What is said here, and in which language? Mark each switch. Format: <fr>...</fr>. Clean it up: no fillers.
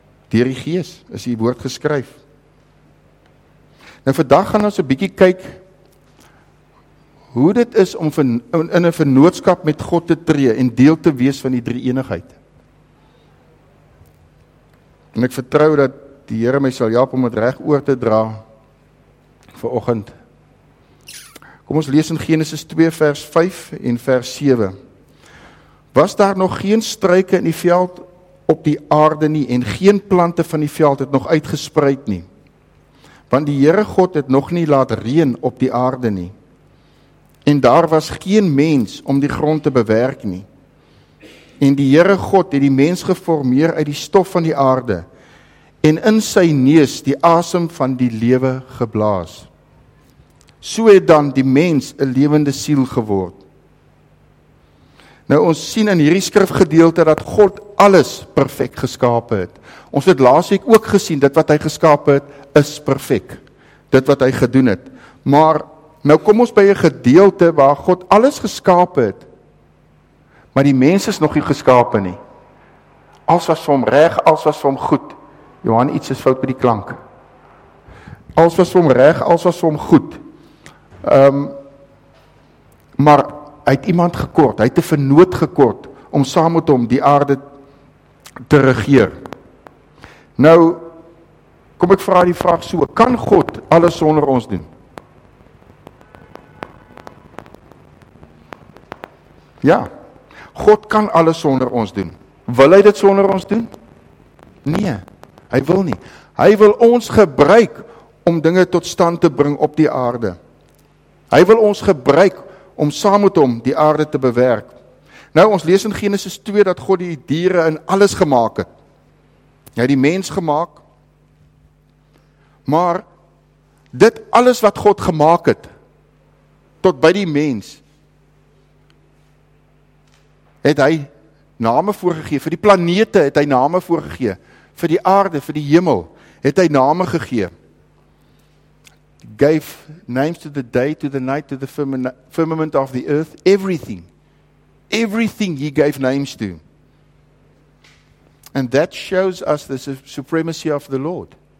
<af>Deur die Gees is die woord geskryf. Nou vandag gaan ons 'n bietjie kyk hoe dit is om in 'n vennootskap met God te tree en deel te wees van die drie eenigheid. En ek vertrou dat die Here my sal help om dit reg oor te dra vir oggend. Kom ons lees in Genesis 2 vers 5 en vers 7. Was daar nog geen struike in die veld op die aarde nie en geen plante van die veld het nog uitgespruit nie. Want die Here God het nog nie laat reën op die aarde nie. En daar was geen mens om die grond te bewerk nie. En die Here God het die mens geformeer uit die stof van die aarde en in sy neus die asem van die lewe geblaas. So het dan die mens 'n lewende siel geword. Nou ons sien in hierdie skrifgedeelte dat God alles perfek geskape het. Ons het laasweek ook gesien dat wat hy geskape het is perfek. Dit wat hy gedoen het. Maar nou kom ons by 'n gedeelte waar God alles geskape het, maar die mens is nog nie geskape nie. Alles was vir hom reg, alles was vir hom goed. Johan, iets is fout met die klank. Alles was vir hom reg, alles was vir hom goed. Maar hy het iemand gekort, hy het 'n vennoot gekort om saam met hom die aarde te regeer. Nou kom ek vra die vraag so, kan God alles sonder ons doen? Ja, God kan alles sonder ons doen. Wil hy dit sonder ons doen? Nee, hy wil nie. Hy wil ons gebruik om dinge tot stand te bring op die aarde. Hy wil ons gebruik om saam met hom die aarde te bewerk. Nou, ons lees in Genesis 2 dat God die diere in alles gemaak het. Hy het die mens gemaak. Maar dit alles wat God gemaak het, tot by die mens, het hy name voorgegee. Vir die planete het hy name voorgegee. Vir die aarde, vir die hemel, het hy name gegee.</af> <en>Gave names to the day, to the night, to the firmament of the earth, everything. Everything he gave names to. And that shows us the supremacy of the Lord.</en>